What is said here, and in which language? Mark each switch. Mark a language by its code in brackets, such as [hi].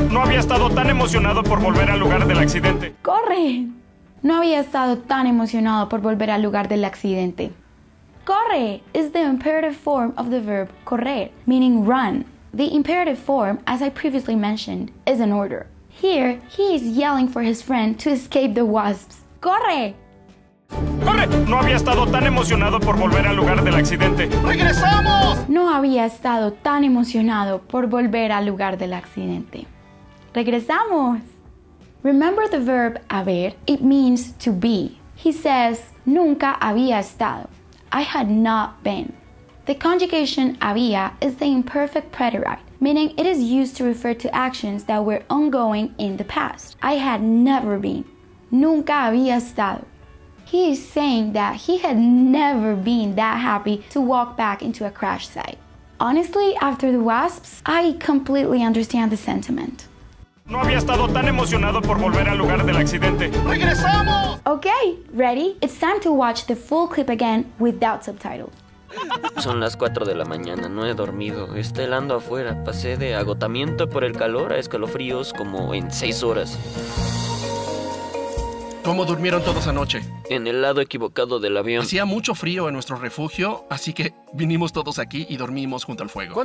[es] No había estado tan emocionado por volver al lugar del accidente. ¡Corre! No había estado tan emocionado por volver al lugar del accidente. ¡Corre! [en] Is the imperative form of the verb correr, meaning run. The imperative form, as I previously mentioned, is an order. Here, he is yelling for his friend to escape the wasps. ¡Corre! [es] ¡Corre! No había estado tan emocionado por volver al lugar del accidente. ¡Regresamos! No había estado tan emocionado por volver al lugar del accidente. [en] ¡Regresamos! Remember the verb haber? It means to be. He says, [es] nunca había estado. [en] I had not been. The conjugation había is the imperfect preterite, meaning it is used to refer to actions that were ongoing in the past. I had never been. [es] Nunca había estado. [en] He is saying that he had never been that happy to walk back into a crash site. Honestly, after the wasps, I completely understand the sentiment. [es] No había estado tan emocionado por volver al lugar del accidente. ¡Regresamos! [en] Okay, ready? It's time to watch the full clip again without subtitles. [es] Son las 4 de la mañana, no he dormido, está helando afuera. Pasé de agotamiento por el calor a escalofríos como en 6 horas. ¿Cómo durmieron todos anoche? En el lado equivocado del avión. Hacía mucho frío en nuestro refugio, así que vinimos todos aquí y dormimos junto al fuego.